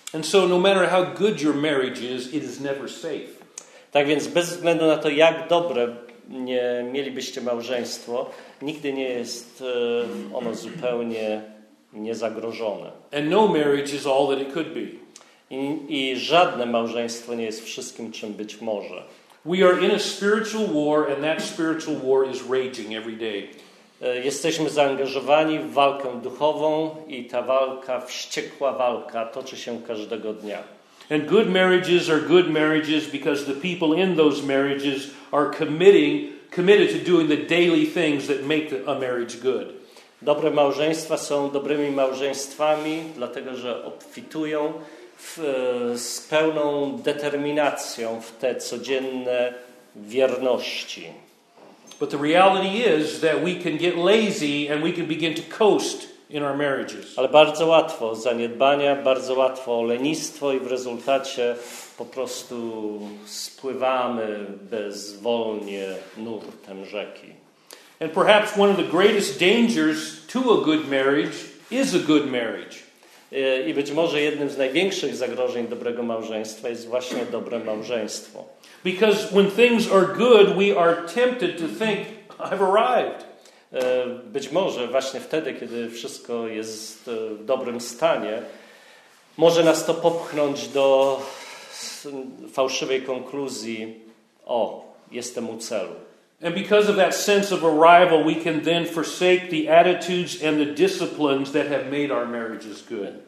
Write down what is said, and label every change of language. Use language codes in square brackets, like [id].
[en] And so no matter how good your marriage is, it is never safe. [pl] Tak więc bez względu na to, jak dobre nie mielibyście małżeństwo, nigdy nie jest ono zupełnie niezagrożone. [en] And no marriage is all that it could be. [pl] I żadne małżeństwo nie jest wszystkim, czym być może. [en] We are in a spiritual war, and that spiritual war is raging every day. [pl] Jesteśmy zaangażowani w walkę duchową i ta walka, wściekła walka, toczy się każdego dnia. [en] And good marriages are good marriages because the people in those marriages are committed to doing the daily things that make a marriage good. [pl] Dobre małżeństwa są dobrymi małżeństwami, dlatego że obfitują z pełną determinacją w te codzienne wierności. [en] But the reality is that we can get lazy and we can begin to coast in our marriages. [pl] Ale bardzo łatwo zaniedbania, bardzo łatwo lenistwo i w rezultacie po prostu spływamy bezwolnie nurtem rzeki. [en] And perhaps one of the greatest dangers to a good marriage is a good marriage. [pl] I być może jednym z największych zagrożeń dobrego małżeństwa jest właśnie dobre małżeństwo. [en] Because when things are good, we are tempted to think, I've arrived. [pl] Być może właśnie wtedy, kiedy wszystko jest w dobrym stanie, może nas to popchnąć do fałszywej konkluzji, o, jestem u celu. [en] And because of that sense of arrival, we can then forsake the attitudes and the disciplines that have made our marriages good.